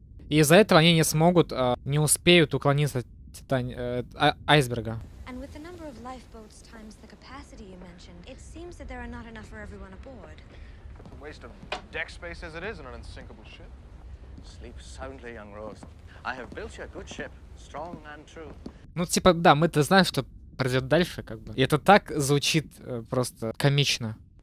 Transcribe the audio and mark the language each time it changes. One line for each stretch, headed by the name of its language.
Russian: И из-за этого они не смогут, не успеют уклониться от айсберга.
English: And with the number of lifeboats times the capacity you mentioned, it seems that there are not enough for everyone aboard. A waste of deck space as it is in an unsinkable ship. Sleep soundly, young Rose. I have built you a good ship, strong and true.
Russian: Ну, типа, да, мы-то знаем, что пройдет дальше, как бы. И это так звучит просто комично.